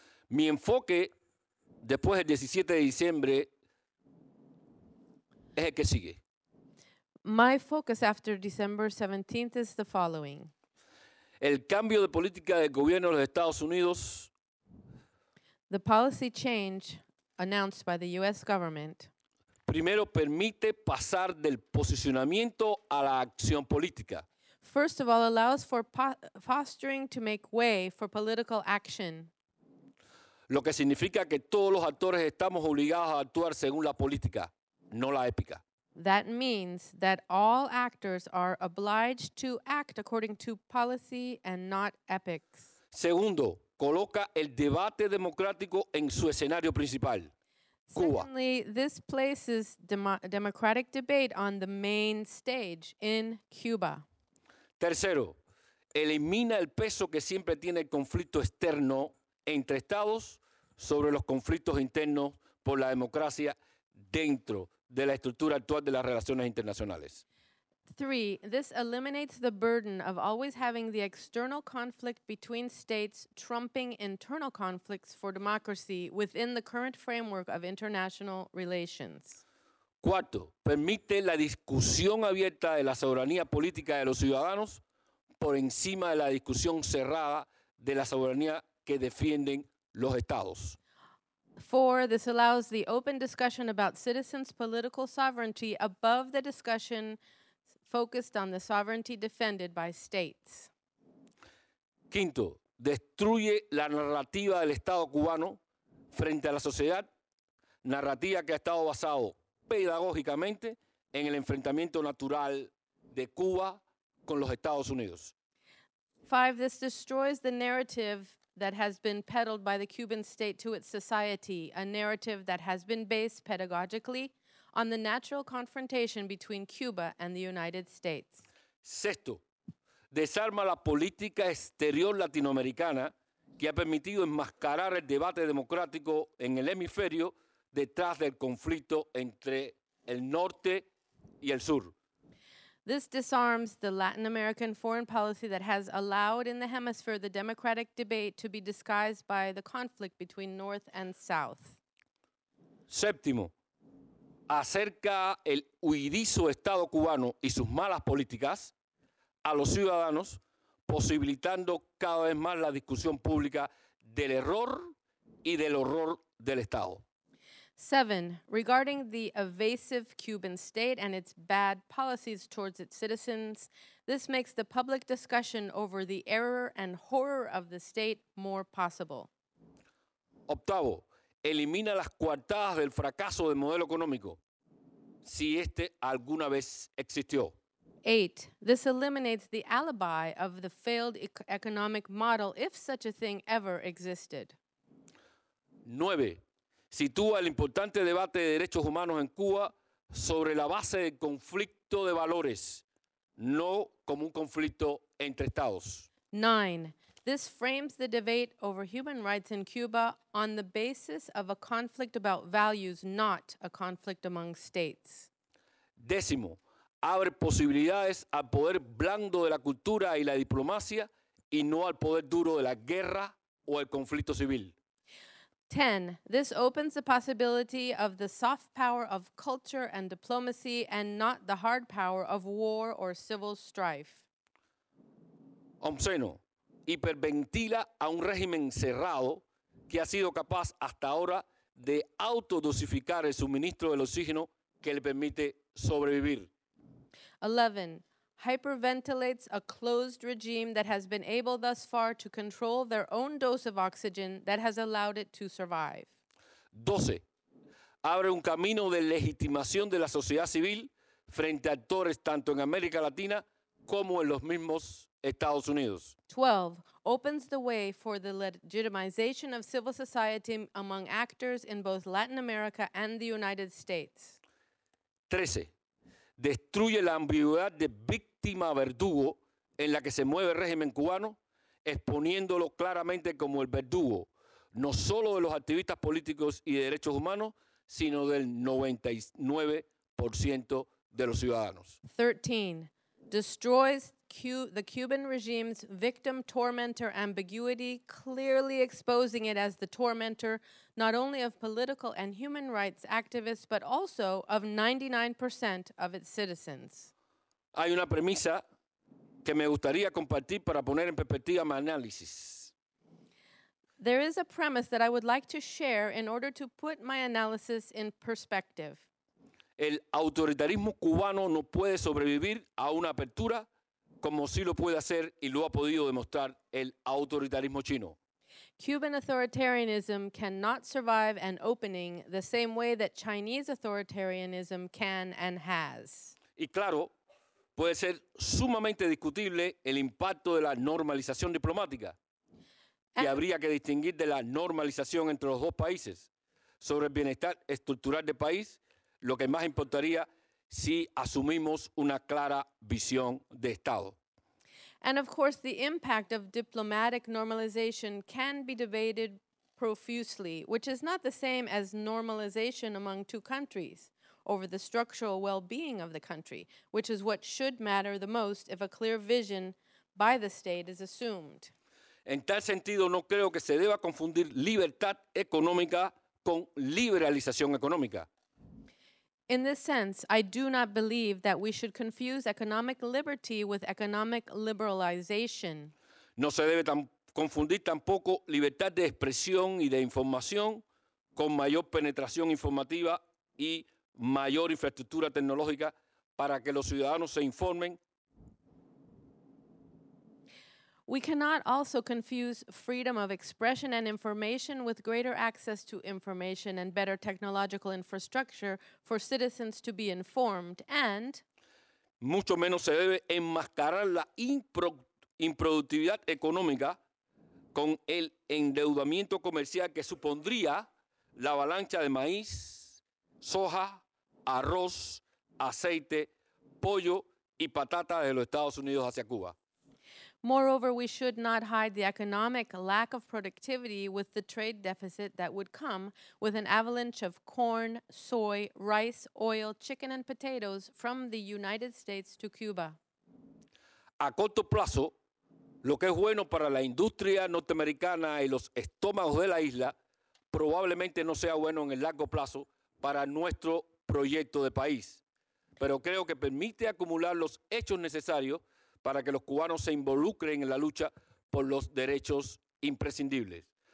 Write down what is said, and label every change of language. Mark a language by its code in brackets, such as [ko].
[es] Mi enfoque después del 17 de diciembre es el que sigue. [en] My focus after December 17th is the following. [es] El cambio de política del gobierno de los Estados Unidos. [en] The policy change announced by the U.S. government. [es] Primero permite pasar del posicionamiento a la acción política. [en] First of all, allows for fostering to make way for political action. [es] Lo que significa que todos los actores estamos obligados a actuar según la política, no la épica. [en] That means that all actors are obliged to act according to policy and not epics. [es] Segundo, coloca el debate democrático en su escenario principal. [en] Secondly, this places democratic debate on the main stage in Cuba. [es] Tercero, elimina el peso que siempre tiene el conflicto externo entre estados sobre los conflictos internos por la democracia dentro de la estructura actual de las relaciones internacionales. [en] Three, this eliminates the burden of always having the external conflict between states trumping internal conflicts for democracy within the current framework of international relations. [es] Cuarto, permite la discusión abierta de la soberanía política de los ciudadanos por encima de la discusión cerrada de la soberanía que defienden los estados. [en] Four, this allows the open discussion about citizens' political sovereignty above the discussion focused on the sovereignty defended by states. [es] Quinto, destruye la narrativa del Estado cubano frente a la sociedad, narrativa que ha estado basado pedagógicamente en el enfrentamiento natural de Cuba con los Estados Unidos. [en] Five, this destroys the narrative that has been peddled by the Cuban state to its society, a narrative that has been based pedagogically on the natural confrontation between Cuba and the United States. [es] Sexto, desarma la política exterior latinoamericana que ha permitido enmascarar el debate democrático en el hemisferio detrás del conflicto entre el norte y el sur. [en] This disarms the Latin American foreign policy that has allowed in the hemisphere the democratic debate to be disguised by the conflict between north and south. [es] Séptimo, acerca el huidizo Estado cubano y sus malas políticas a los ciudadanos, posibilitando cada vez más la discusión pública del error y del horror del Estado. [en] Seven, regarding the evasive Cuban state and its bad policies towards its citizens, this makes the public discussion over the error and horror of the state more possible. [es] Octavo, elimina las coartadas del fracaso del modelo económico, si este alguna vez existió. [en] Eight, this eliminates the alibi of the failed economic model, if such a thing ever existed. [es] Nueve, sitúa el importante debate de derechos humanos en Cuba sobre la base del conflicto de valores, no como un conflicto entre estados. [en] Nine, this frames the debate over human rights in Cuba on the basis of a conflict about values, not a conflict among states. [es] Décimo, abre posibilidades al poder blando de la cultura y la diplomacia y no al poder duro de la guerra o el conflicto civil. [en] 10. This opens the possibility of the soft power of culture and diplomacy and not the hard power of war or civil strife. [es] Onceno, hiperventila a un régimen cerrado que ha sido capaz hasta ahora de autodosificar el suministro del oxígeno que le permite sobrevivir. [en] 11. Hyperventilates a closed regime that has been able thus far to control their own dose of oxygen that has allowed it to survive. [es] 12. Abre un camino de legitimación de la sociedad civil frente a actores tanto en América Latina como en los mismos Estados Unidos. [en] 12. Opens the way for the legitimization of civil society among actors in both Latin America and the United States. [es] 13. Destruye la ambigüedad de víctima verdugo en la que se mueve el régimen cubano, exponiéndolo claramente como el verdugo, no solo de los activistas políticos y de derechos humanos, sino del 99% de los ciudadanos. [en] 13. Destroys the Cuban regime's victim-tormentor ambiguity, clearly exposing it as the tormentor not only of political and human rights activists, but also of 99% of its citizens. [es] Hay una premisa que me gustaría compartir para poner en perspectiva mi análisis. [en] There is a premise that I would like to share in order to put my analysis in perspective. [es] El autoritarismo cubano no puede sobrevivir a una apertura como sí lo puede hacer y lo ha podido demostrar el autoritarismo chino. [en] Cuban authoritarianism cannot survive an opening the same way that Chinese authoritarianism can and has. [es] Y claro, puede ser sumamente discutible el impacto de la normalización diplomática, que habría que distinguir de la normalización entre los dos países sobre el bienestar estructural del país, lo que más importaría si asumimos una clara visión de Estado. [en] And of course, the impact of diplomatic normalization can be debated profusely, which is not the same as normalization among two countries over the structural well-being of the country, which is what should matter the most if a clear vision by the state is assumed. [es] En tal sentido, no creo que se deba confundir libertad económica con liberalización económica. [en] In this sense, I do not believe that we should confuse economic liberty with economic liberalization. [es] No se debe confundir tampoco libertad de expresión y de información con mayor penetración informativa y mayor infraestructura tecnológica para que los ciudadanos se informen. [en] We cannot also confuse freedom of expression and information with greater access to information and better technological infrastructure for citizens to be informed, and [es] mucho menos se debe enmascarar la improductividad económica con el endeudamiento comercial que supondría la avalancha de maíz, soja, arroz, aceite, pollo y patata de los Estados Unidos hacia Cuba. [en] Moreover, we should not hide the economic lack of productivity with the trade deficit that would come with an avalanche of corn, soy, rice, oil, chicken, and potatoes from the United States to Cuba. [es] A corto plazo, lo que es bueno para la industria norteamericana y los estómagos de la isla probablemente no sea bueno en el largo plazo para nuestro proyecto de país. Pero creo que permite acumular los hechos necesarios para que los cubanos se involucren en la lucha por los derechos imprescindibles.